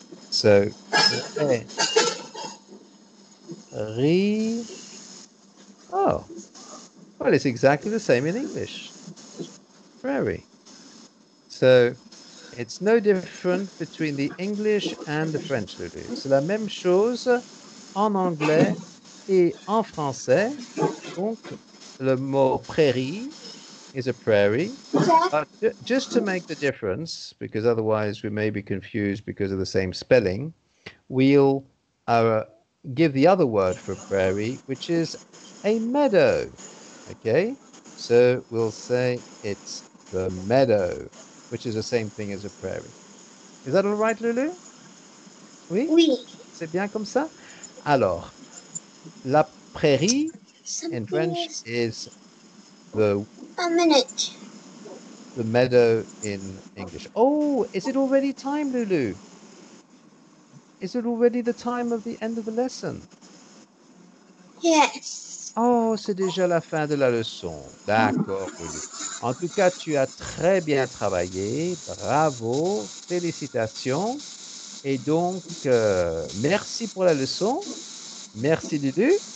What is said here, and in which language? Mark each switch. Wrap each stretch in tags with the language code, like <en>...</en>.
<en>So, prairie. Oh, well, it's exactly the same in English. Prairie. So, it's no different between the English and the French, Lulu.</en> <fr>C'est la même chose en anglais et en français. Donc, le mot prairie</fr> <en>is a prairie. Yeah. But just to make the difference, because otherwise we may be confused because of the same spelling, we'll give the other word for prairie, which is a meadow. Okay? So, we'll say it's the meadow, which is the same thing as a prairie. Is that all right, Lulu? Oui?</en> <fr>Oui. C'est bien comme ça? Alors, la prairie</fr> <en>in French is The meadow in English. Oh, is it already time, Lulu? Is it already the time of the end of the lesson? Yes.</en> <fr>Oh, c'est déjà la fin de la leçon. D'accord, Lulu. En tout cas, tu as très bien travaillé. Bravo, félicitations. Et donc, merci pour la leçon. Merci, Lulu.</fr>